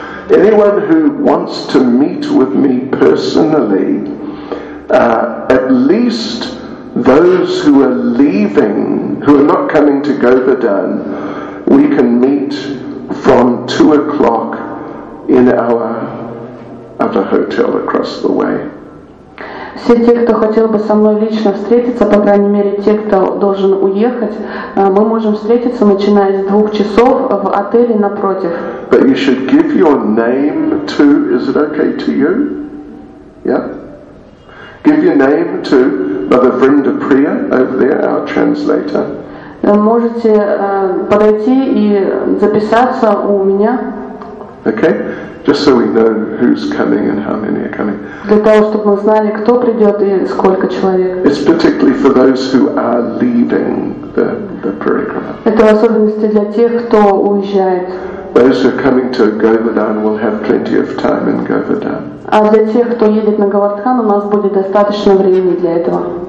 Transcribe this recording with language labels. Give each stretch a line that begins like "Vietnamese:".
English: Anyone who wants to meet with me personally, at least those who are leaving, who are not coming to Govardhan, we can meet from 2:00 in our hotel across the way.
Russian: Все те, кто хотел бы со мной лично встретиться, по крайней мере, те, кто должен уехать, мы можем встретиться, начиная с 2 часов в отеле напротив.
English: But you should give your name to, is it okay to you? Yeah? Give your name to Mother Vrinda Priya over there, our translator.
Russian: Можете подойти и записаться у меня.
English: Okay? Just so we know who's coming and how many are coming.
Russian: Для того, чтобы мы знали, кто придет и сколько человек.
English: It's particularly for those who are leaving the parikrama.
Russian: Это в особенности для тех, кто уезжает.
English: Those who are coming to Govardhan will have plenty of time in Govardhan.
Russian: А для тех, кто едет на Говардхан, у нас будет достаточно времени для этого.